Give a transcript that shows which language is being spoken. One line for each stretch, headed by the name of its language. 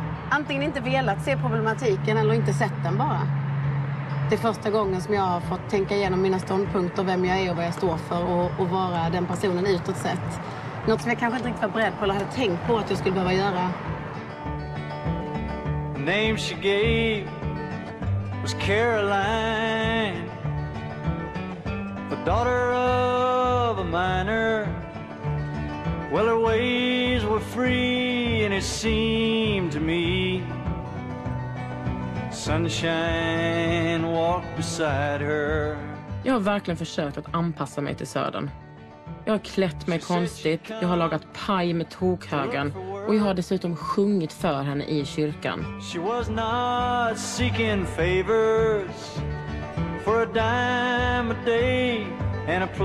Swedish: antingen inte velat se problematiken eller inte sett den bara. Det är första gången som jag har fått tänka igenom mina ståndpunkter, vem jag är och vad jag står för. Och vara den personen utåt sett. Något som jag kanske inte riktigt var beredd på eller hade tänkt på att jag skulle behöva göra.
English: Name she gave was Caroline, the daughter of a miner. Well, her ways were free, and it seemed to me sunshine walked beside her.
Swedish: Jag har verkligen försökt att anpassa mig till södern. Jag har klätt mig konstigt, jag har lagat paj med tokhögen och jag har dessutom sjungit för henne i kyrkan.
English: She was not seeking favors for a dime a day and a place to stay.